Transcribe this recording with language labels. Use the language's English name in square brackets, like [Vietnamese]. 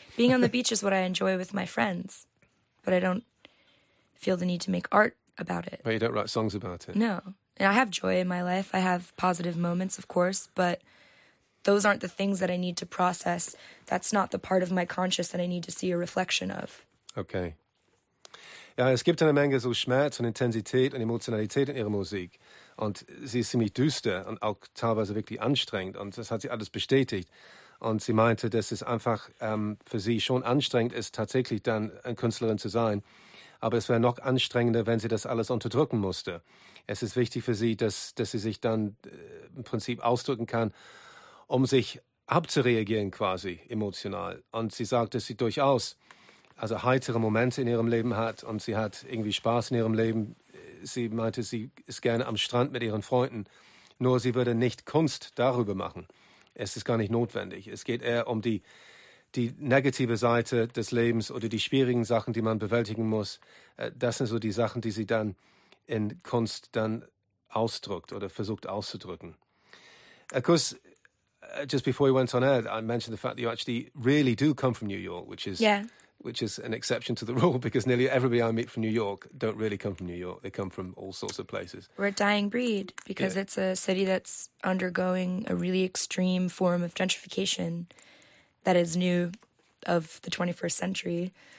[English] Being on the beach is what I enjoy with my friends, but I don't feel the need to make art about it. But you don't write songs about it? No. And I have joy in my life. I have positive moments, of course, but those aren't the things that I need to process. That's not the part of my conscious that I need to see a reflection of. Okay. [German] Ja, es gibt eine Menge so Schmerz und Intensität und Emotionalität in ihrer Musik. Und sie ist ziemlich düster und auch teilweise wirklich anstrengend. Und das hat sie alles bestätigt. Und sie meinte, dass es einfach für sie schon anstrengend ist, tatsächlich dann eine Künstlerin zu sein. Aber es wäre noch anstrengender, wenn sie das alles unterdrücken musste. Es ist wichtig für sie, dass sie sich dann im Prinzip ausdrücken kann, um sich abzureagieren quasi emotional. Und sie sagt, dass sie durchaus also heitere Momente in ihrem Leben hat und sie hat irgendwie Spaß in ihrem Leben. Sie meinte, sie ist gerne am Strand mit ihren Freunden, nur sie würde nicht Kunst darüber machen. Es ist gar nicht notwendig. Es geht eher um die negative Seite des Lebens oder die schwierigen Sachen, die man bewältigen muss. Das sind so die Sachen, die sie dann in Kunst dann ausdrückt oder versucht auszudrücken. [English] Of course, just before you went on air, I mentioned the fact that you actually really do come from New York, which is an exception to the rule, because nearly everybody I meet from New York don't really come from New York. They come from all sorts of places. We're a dying breed, because it's a city that's undergoing a really extreme form of gentrification that is new of the 21st century.